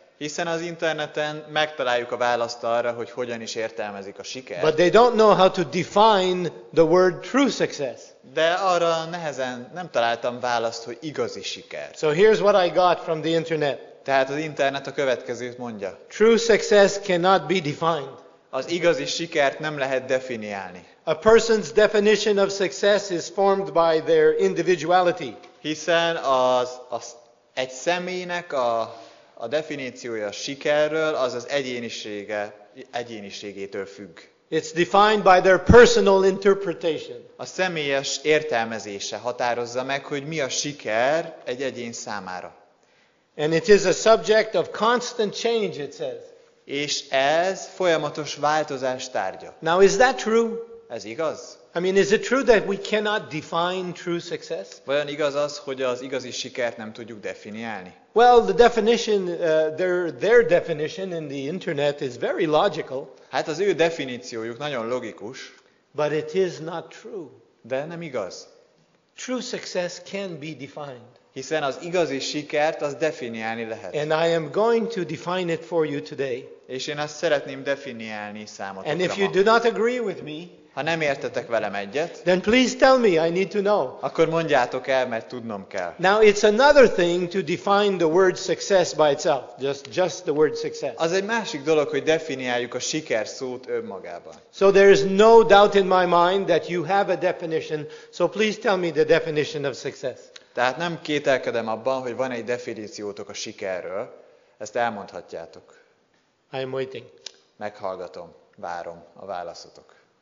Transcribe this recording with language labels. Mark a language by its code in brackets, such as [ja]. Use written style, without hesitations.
[hu] Hiszen az interneten megtaláljuk a választ arra, hogy hogyan is értelmezik a sikert. [en] But they don't know how to define the word true success. [hu] De arra nehezen nem találtam választ, hogy igazi siker. [en] So here's what I got from the internet. [hu] Tehát az internet a következőt mondja. [en] True success cannot be defined. [hu] Az igazi sikert nem lehet definiálni. [en] A person's definition of success is formed by their individuality. [hu] Hiszen az egy személynek a definíciója a sikerről, az az egyéniségétől függ. [en] It's defined by their personal interpretation. [hu] A személyes értelmezése határozza meg, hogy mi a siker egy egyén számára. [en] And it is a subject of constant change, it says. [hu] És ez folyamatos változás tárgya. [en] Now is that true? [hu] Ez igaz? [en] I mean, is it true that we cannot define true success? [hu] Vajon igaz az, hogy az igazi sikert nem tudjuk definiálni? [en] Well, the definition, their definition in the internet is very logical. [hu] Hát az ő definíciójuk nagyon logikus. [en] But it is not true. [hu] De nem igaz. [en] True success can be defined. [hu] Hiszen az igazi sikert az definiálni lehet. [en] And I am going to define it for you today. [hu] És én azt szeretném definiálni számotokra. [en] And if you do not agree with me, [hu] ha nem értetek velem egyet, [en] then please tell me, I need to know. [hu] Akkor mondjátok el, mert tudnom kell. [en] Now it's another thing to define the word success by itself, just the word success. [hu] Az egy másik dolog, hogy definiáljuk a siker szót önmagában. [en] So there is no doubt in my mind that you have a definition, so please tell me the definition of success. [hu] Tehát nem kételkedem abban, hogy van egy definíciótok a sikerről, ezt elmondhatjátok. [en] I am waiting. [hu] Meghallgatom, várom a válaszotok.